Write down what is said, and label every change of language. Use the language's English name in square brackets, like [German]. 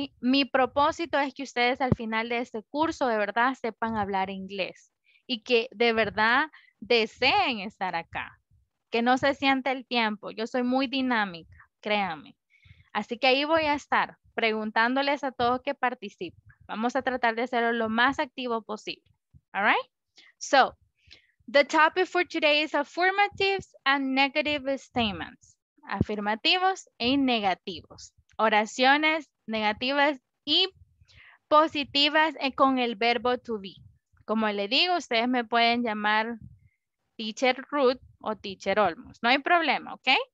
[Spanish] Mi propósito es que ustedes al final de este curso de verdad sepan hablar inglés y que de verdad deseen estar acá, que no se siente el tiempo. Yo soy muy dinámica, créanme. Así que ahí voy a estar preguntándoles a todos que participen. Vamos a tratar de hacerlo lo más activo posible. [English] All right? So, the topic for today is affirmatives and negative statements. [Spanish] Afirmativos y negativos. Oraciones negativas y positivas con el verbo to be. Como le digo, ustedes me pueden llamar Teacher Ruth o Teacher Olmos. No hay problema, ¿ok?